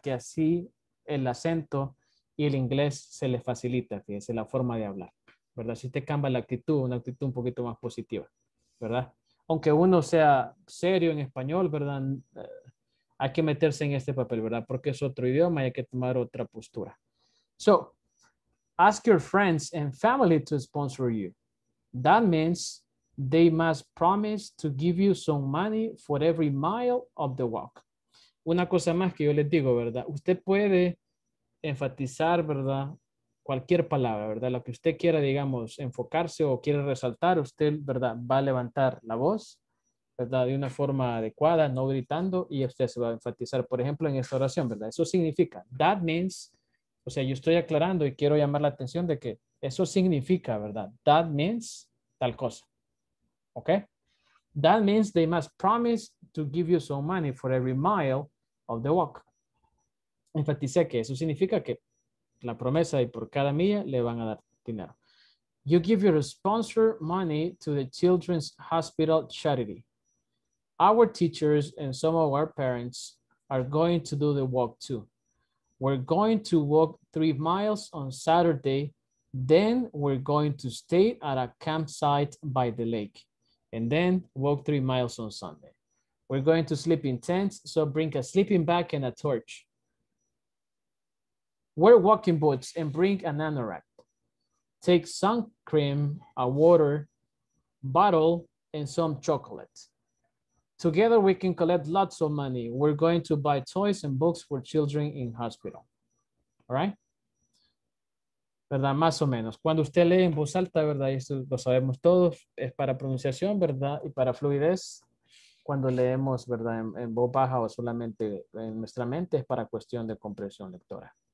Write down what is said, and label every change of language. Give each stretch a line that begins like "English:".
Spanish: Que así el acento y el inglés se le facilita, fíjense, la forma de hablar, ¿verdad? Si te cambia la actitud, una actitud un poquito más positiva, ¿verdad? Aunque uno sea serio en español, ¿verdad? Hay que meterse en este papel, ¿verdad? Porque es otro idioma y hay que tomar otra postura.
English: So, ask your friends and family to sponsor you. That means they must promise to give you some money for every mile of the walk.
Spanish: Una cosa más que yo les digo, ¿verdad? Usted puede enfatizar, ¿verdad? Cualquier palabra, ¿verdad? Lo que usted quiera, digamos, enfocarse o quiere resaltar, usted, ¿verdad? Va a levantar la voz, ¿verdad? De una forma adecuada, no gritando, y usted se va a enfatizar, por ejemplo, en esta oración, ¿verdad? Eso significa,
English: that means,
Spanish: o sea, yo estoy aclarando y quiero llamar la atención de que eso significa, ¿verdad?
English: That means
Spanish: tal cosa.
English: Okay, that means they must promise to give you some money for every mile of the walk.
Spanish: Enfatice que eso significa que la promesa y por cada milla le van a dar dinero.
English: You give your sponsor money to the children's hospital charity. Our teachers and some of our parents are going to do the walk too. We're going to walk 3 miles on Saturday. Then we're going to stay at a campsite by the lake. And then walk 3 miles on Sunday. We're going to sleep in tents, so bring a sleeping bag and a torch. Wear walking boots and bring an anorak. Take sun cream, a water bottle, and some chocolate. Together we can collect lots of money. We're going to buy toys and books for children in hospital. All right?
Spanish: ¿Verdad? Más o menos. Cuando usted lee en voz alta, ¿verdad? Y esto lo sabemos todos, es para pronunciación, ¿verdad? Y para fluidez. Cuando leemos, ¿verdad? En voz baja o solamente en nuestra mente, es para cuestión de comprensión lectora.